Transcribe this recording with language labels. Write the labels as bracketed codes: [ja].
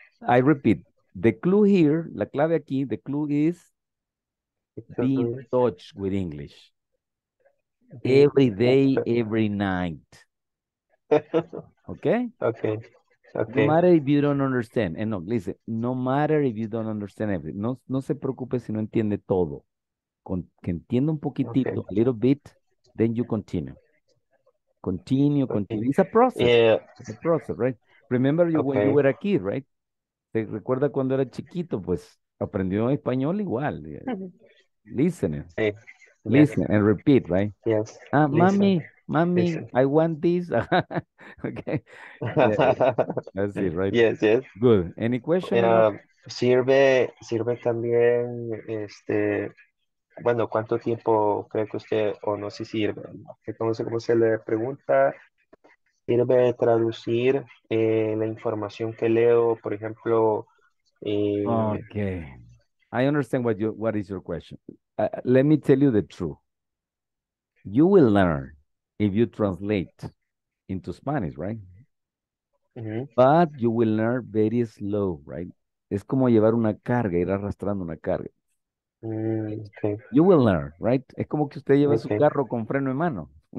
[en] I repeat. The clue here, [es] la clave aquí, [en] the clue is be in touch with English. Every day, every night. Okay? Okay. Okay. No matter if you don't understand. And no, listen, no matter if you don't understand everything. [es] No, no se preocupe si no entiende todo. Con que entienda un poquitito, [en] okay. A little bit, then you continue. Continue, continue. It's a process. Yeah. It's a process, right? Remember you, okay. When you were a kid, right? [es] ¿Te recuerda cuando era chiquito? Pues aprendió español igual. [en] Yeah. Listening. [es] Sí. [en] Listen, yeah. And repeat, right? Yes. Ah, mami, listen. I want this. Okay. Yeah, that's it, right? Yes, yes. Good. Any question? [es] Sirve también, bueno, ¿cuánto tiempo cree que usted, o no sé si sirve? Entonces, ¿cómo se le pregunta? Sirve traducir la información que leo, por ejemplo. [en] Okay. I understand what is your question. Let me tell you the truth. You will learn if you translate into Spanish, right? Mm-hmm. But you will learn very slow, right? [es] Es como llevar una carga, ir arrastrando una carga. [en] Okay. You will learn, right? [es] Es como que usted lleva su carro con freno en mano.